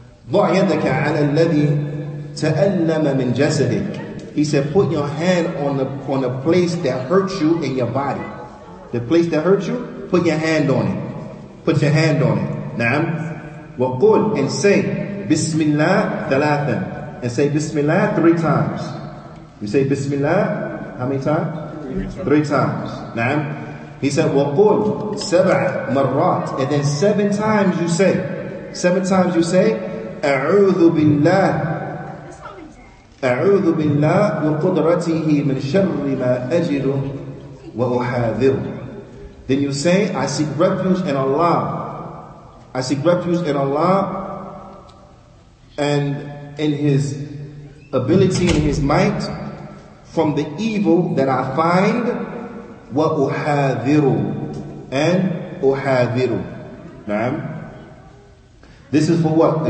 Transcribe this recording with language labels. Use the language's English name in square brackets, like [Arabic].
[Arabic] يدك على الذي تألم من جسدك. [English] He said, put your hand on the place that hurts you in your body. The place that hurts you, put your hand on it. Put your hand on it. نعم. وقل and say, Bismillah ثلاثا. And say Bismillah three times. You say Bismillah, how many times? Three times. [Arabic] نعم. [English] He said, [Arabic] وقل سبع مرات. [English] And then seven times you say, [Arabic] أعوذ بالله. أعوذ بالله وقدرته من شر ما أجد وأحاذر. [English] Then you say, I seek refuge in Allah. I seek refuge in Allah and in His ability and His might from the evil that I find. وأحاذر. And أحاذر. نعم. This is for what?